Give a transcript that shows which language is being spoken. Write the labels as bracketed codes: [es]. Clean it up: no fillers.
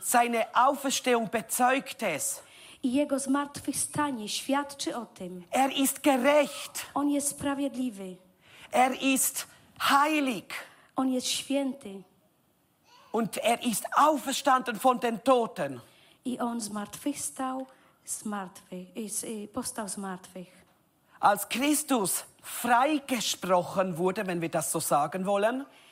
[de] Seine Auferstehung bezeugt es. [pl] I jego zmartwychwstanie świadczy o tym. [de] Ist gerecht. [pl] On jest sprawiedliwy. [de] Ist heilig. [pl] On jest święty. [de] Und ist auferstanden von den Toten. [pl] I on zmartwychwstał z martwych, powstał z martwych. [de] Als Christus freigesprochen wurde, wenn wir das so sagen wollen,